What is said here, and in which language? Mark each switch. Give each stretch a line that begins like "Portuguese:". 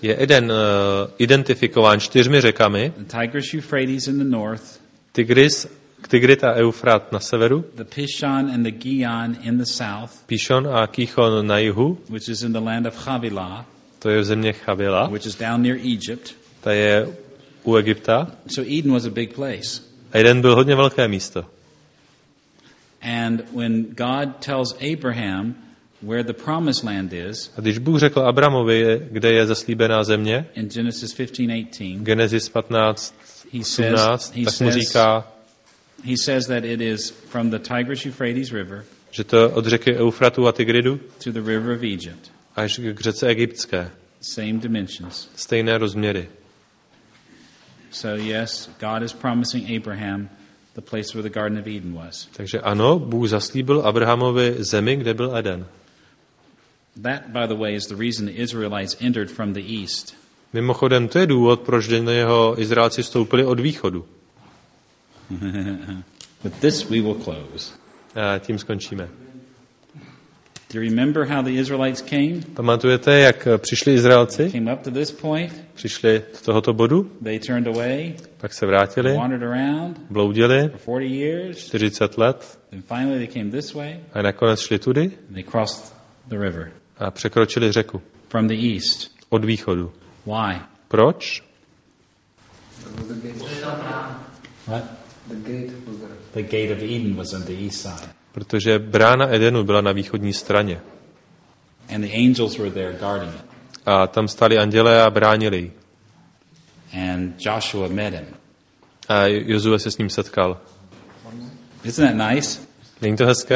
Czech: Je Eden identifikován čtyřmi řekami.
English: The Tigris, Euphrates in the north.
Czech: Tigrit a Eufrat na severu.
English: The Pishon and the Gihon in the south.
Czech: Pishon a Gihon na jihu.
English: Which is in the land of Havilah.
Czech: To je v země Havilah.
English: Which is down near Egypt.
Czech: Ta je u Egypta.
English: So Eden was a big place.
Czech: Eden byl hodně velké místo.
English: And when God tells Abraham where the promised land is.
Czech: A když Bůh řekl Abrahamovi, kde je zaslíbená země.
English: In Genesis 15:18.
Czech: Genesis 15:18. Tak mu říká.
English: He says that it is from the Tigris-Euphrates River.
Czech: Že to od řeky Eufratu a Tigridu.
English: To the river of Egypt.
Czech: Až k řece egyptské.
English: Same dimensions.
Czech: Stejné rozměry.
English: So yes, God is promising Abraham the place where the Garden of Eden was.
Czech: Takže ano, Bůh zaslíbil Abrahamovi zemi, kde byl Eden.
English: That, by the way, is the reason the Israelites entered from the east.
Czech: Mimochodem, to je důvod, proč do něho Izraelci vstoupili od východu.
English: But this we will close.
Czech: A tím skončíme.
English: Do you remember how the Israelites came?
Czech: Pamatujete, jak přišli Izraelci?
English: Came up to this point.
Czech: Přišli do tohoto bodu.
English: They turned away.
Czech: Pak se vrátili.
English: Wandered around.
Czech: Bloudili.
English: For 40 years.
Czech: 40 let.
English: And finally they came this way.
Czech: A nakonec šli tudy.
English: And they crossed the river.
Czech: A překročili řeku.
English: From the east.
Czech: Od východu.
English: Why?
Czech: Proč?
English: What? The gate of Eden was on the east side.
Czech: Protože brána Edenu byla na východní straně.
English: And the angels were there guarding it.
Czech: A tam stáli andělé a bránili ji.
English: And Joshua met him.
Czech: A Josué se s ním setkal.
English: Isn't that nice?
Czech: Není to hezké?